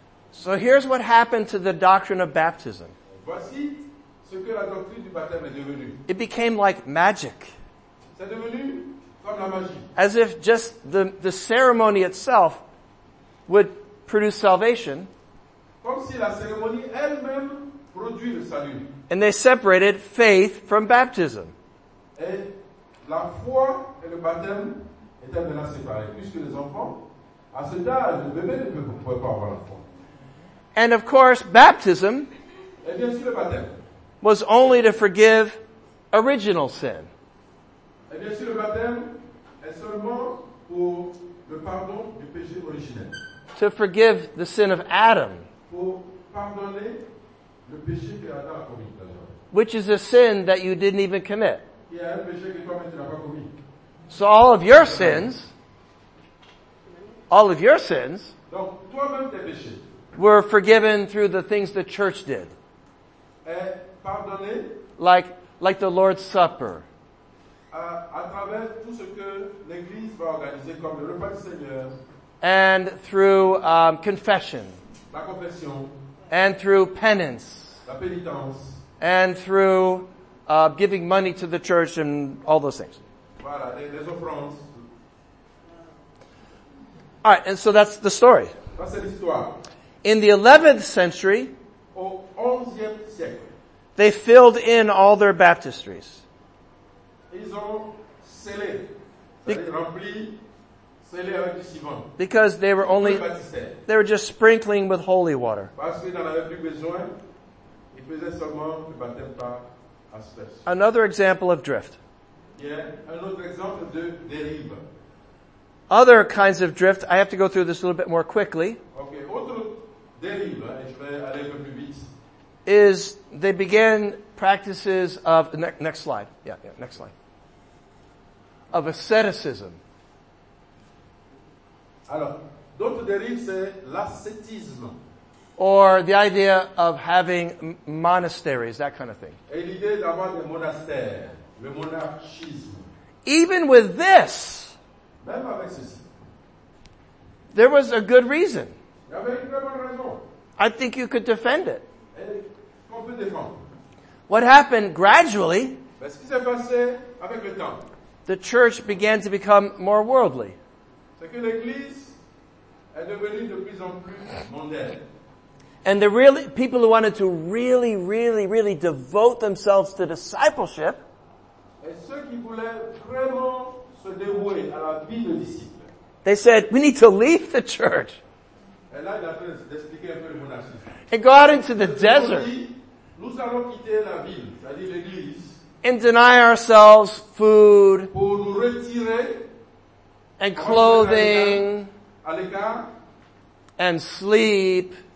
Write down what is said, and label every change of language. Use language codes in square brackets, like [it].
[en] So here's what happened to the doctrine of baptism. [fr] Voici ce que la doctrine du baptême est devenue. [en] It became like magic. [fr] C'est devenu comme la magie. [en] As if just the ceremony itself would produce salvation. [fr] Comme si la cérémonie elle-même produit le salut. [en] And they separated faith from baptism. [fr] Et la foi et le baptême étaient maintenant séparés, puisque les enfants, à cet âge, le bébé ne pouvait pas avoir la foi. [en] And of course, baptism, [fr] et bien sûr, le baptême, [en] was only to forgive original sin. [fr] Et bien sûr, le baptême est seulement pour le pardon du péché originel. [en] To forgive the sin of Adam. [fr] Pour pardonner le péché que Adam a commis. [en] Which is a sin that you didn't even commit. [fr] Qui est un péché que toi-même tu n'as pas commis. [en] So all of your sins, all of your sins, [fr] donc toi-même tes péchés, [en] were forgiven through the things the church did. [fr] Et pardonner, [en] like the Lord's Supper. [fr] À travers tout ce que l'Église va organiser comme le repas du Seigneur. [en] And through confession. [fr] La confession. [en] And through penance. [fr] La pénitence. [en] And through giving money to the church and all those things. [fr] Voilà, les offrandes. [en] All right, and so that's the story. [fr] Ça, c'est l'histoire. [en] In the 11th century, [fr] au 11e siècle, [en] they filled in all their baptistries. [fr] ils ont scellé, rempli, scellé avec du ciment. [en] Because they were only, they were just sprinkling with holy water. [fr] Parce qu'ils n'en avaient plus besoin, ils faisaient seulement le baptême par aspersion. [en] Another example of drift. [fr] Yeah, un autre exemple de dérive. [en] Other kinds of drift, I have to go through this a little bit more quickly. [fr] Okay, autre dérive, et je vais aller un peu plus vite. [en] Is they began practices of, next slide, yeah, next slide. Of asceticism. [fr] Alors, d'autres dérives, c'est l'ascétisme. [en] Or the idea of having monasteries, that kind of thing. [fr] Et l'idée d'avoir des monastères, le monachisme. [en] Even with this, [fr] même avec ceci, [en] there was a good reason. [fr] Il y avait une très bonne raison. [en] I think you could defend it. [fr] Et qu'on peut défendre. [en] What happened gradually, [fr] parce que c'est passé avec le temps, [en] the church began to become more worldly. [fr] C'est que l'église est devenue de plus en plus mondaine. [en] And the really, people who wanted to really, really, really devote themselves to discipleship, [fr] et ceux qui voulaient vraiment se dévouer à la vie de disciple, [en] they said, we need to leave the church. [fr] Et là, il a fait d'expliquer un peu le monastique. [en] And go out into the desert. [fr] Nous allons quitter la ville, c'est-à-dire l'église, [en] and deny ourselves food, [fr] pour nous retirer, [en] and clothing, [fr] à l'écart, [en] and sleep,